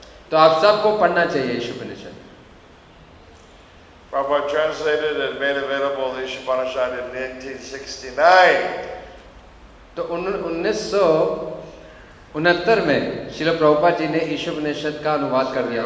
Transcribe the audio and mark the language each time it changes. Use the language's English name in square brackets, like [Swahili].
[Hindi] तो आप सबको पढ़ना चाहिए इशुपनिषद। [English] Prabhupada translated and made available the Ishupanishad in 1969. [Hindi] तो 1969 में श्रील प्रभुपाद जी ने इशुपनिषद का अनुवाद कर दिया था।